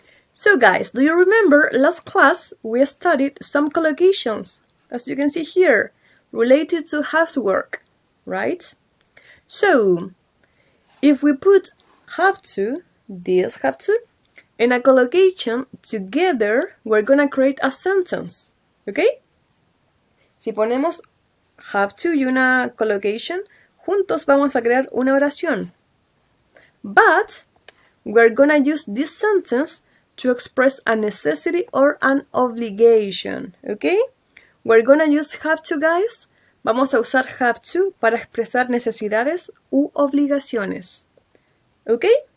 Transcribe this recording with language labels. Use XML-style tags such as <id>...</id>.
<en>So guys, do you remember last class we studied some collocations, as you can see here, related to housework, right? So, if we put have to, this have to, in a collocation, together, we're gonna create a sentence, okay?</en> <es>Si ponemos have to y una collocation, juntos vamos a crear una oración.</es> <en>But, we're gonna use this sentence to express a necessity or an obligation, okay? We're gonna use have to, guys.</en> <es>Vamos a usar have to para expresar necesidades u obligaciones, okay?</es>